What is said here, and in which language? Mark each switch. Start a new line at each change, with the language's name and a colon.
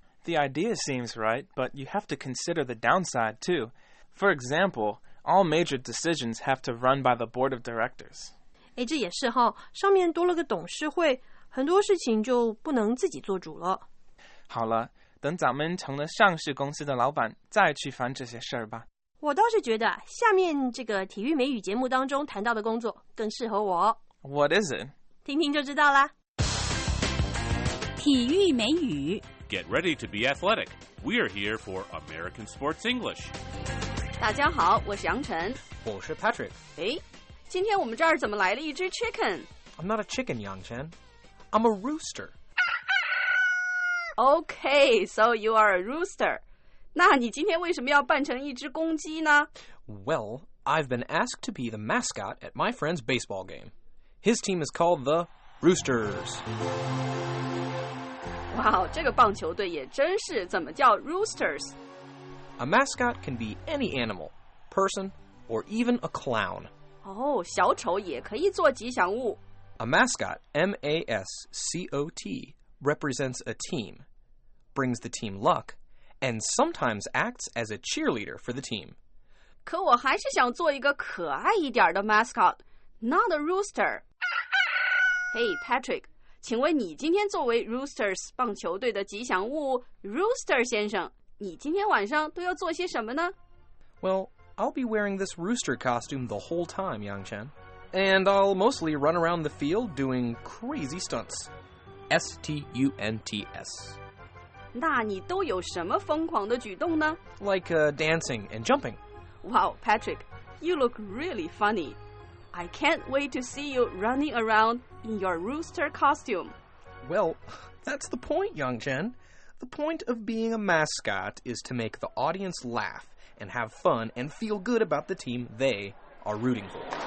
English: The idea seems right, but you have to consider the downside too. For example, all major decisions have to run by the board of directors.
Chinese: 哎，这也是哈，上面多了个董事会，很多事情就不能自己做主了。好了，等咱们成了上市公司的老板再去烦这些事儿吧。我倒是觉得下面这个体育美语节目当中谈到的工作更适合我。
English: What is it?
Chinese: 听听就知道了。体育美语
English: Get ready to be athletic. We are here for American Sports English.
Chinese: 大家好，我是杨晨。我是 Patrick。诶，今天我们这儿怎么来了一只 chicken?
English: I'm not a chicken, 杨晨。I'm a rooster Okay, so you are a rooster.
Chinese: 那你今天为什么要扮成一只公鸡呢？
English: Well, I've been asked to be the mascot at my friend's baseball game. His team is called the Roosters.
Chinese: Wow, 这个棒球队也真是，怎么叫 Roosters?
English: A mascot can be any animal, person, or even a clown.
Chinese: Oh, 小丑也可以做吉祥物。
English: A mascot, M-A-S-C-O-T,represents a team, brings the team luck, and sometimes acts as a cheerleader for the team.
Chinese: 可我还是想做一个可爱一点的 mascot,
English: not a rooster.
Chinese: Hey, Patrick, 请问你今天作为 Roosters 棒球队的吉祥物 Rooster 先生，你今天晚上都要做些什么呢？
English: Well, I'll be wearing this rooster costume the whole time, Yangchen, and I'll mostly run around the field doing crazy stunts. S-T-U-N-T-S
Chinese: 那你都有什么疯狂的举动呢？
English: Like dancing and jumping. Wow, Patrick, you look really funny. I can't wait to see you running around in your rooster costume. Well, that's the point, Yangchen. The point of being a mascot is to make the audience laugh and have fun and feel good about the team they are rooting for.